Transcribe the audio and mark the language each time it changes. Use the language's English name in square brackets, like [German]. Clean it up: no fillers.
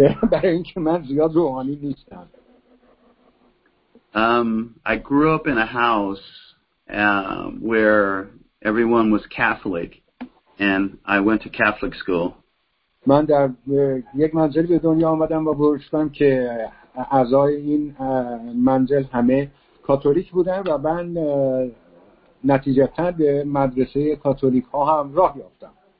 [Persian] برای اینکه من زیاد روحانی نیستم. [English] I grew up in a house where everyone was Catholic and I went to Catholic school. [Persian] من در یک منزلی به دنیا آمدم و بزرگ شدم که اعضای این منزل همه کاتولیک بودن و من نتیجتاً به مدرسه کاتولیک ها هم راه یافتم.